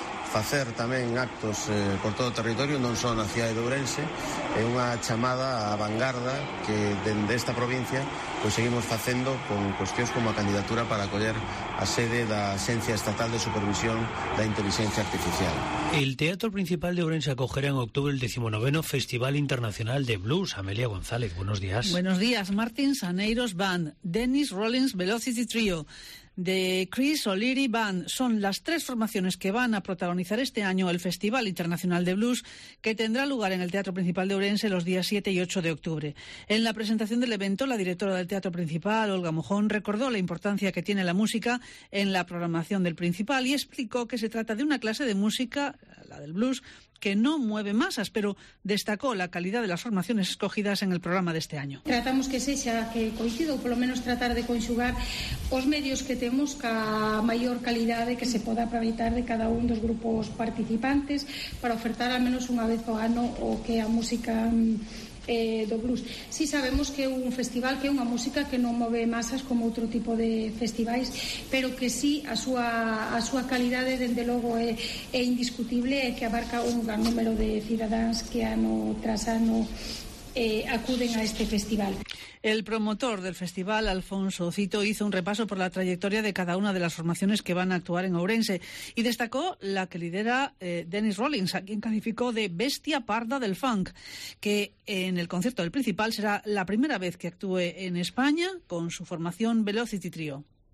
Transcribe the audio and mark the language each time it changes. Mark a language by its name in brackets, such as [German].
[Galician] facer tamén actos por todo o territorio, non só na cidade de Ourense, é unha chamada á vanguarda que dende esta provincia pois seguimos facendo con cuestións como a candidatura para acoller a sede da Axencia Estatal de Supervisión da Inteligencia Artificial. [Spanish] El Teatro Principal de Ourense acogerá en octubre el 19º Festival Internacional de Blues. Amelia González, buenos días. Buenos días. Martin Saneiros Band, Dennis Rollins Velocity Trio, de Chris O'Leary Band, son las tres formaciones que van a protagonizar este año el Festival Internacional de Blues, que tendrá lugar en el Teatro Principal de Ourense los días 7 y 8 de octubre. En la presentación del evento, la directora del Teatro Principal, Olga Mojón, recordó la importancia que tiene la música en la programación del principal y explicó que se trata de una clase de música, la del blues, que no mueve masas, pero destacó la calidad de las formaciones escogidas en el programa de este año. [Galician] Tratamos que sexa que coincida, o [Spanish] por lo menos [Galician] tratar de conxugar os medios que temos ca maior calidade que se poda aproveitar de cada un dos grupos participantes para ofertar al menos unha vez o ano o que a música do blues. Si sabemos que é un festival, que é unha música que non move masas como outro tipo de festivais, pero que si a súa calidade dende logo é indiscutible, é que abarca un gran número de cidadáns que ano tras ano acuden a este festival. [Spanish] El promotor del festival, Alfonso Cito, hizo un repaso por la trayectoria de cada una de las formaciones que van a actuar en Ourense y destacó la que lidera Dennis Rollins, a quien calificó de bestia parda del funk, que en el concierto del principal será la primera vez que actúe en España con su formación Velocity Trio.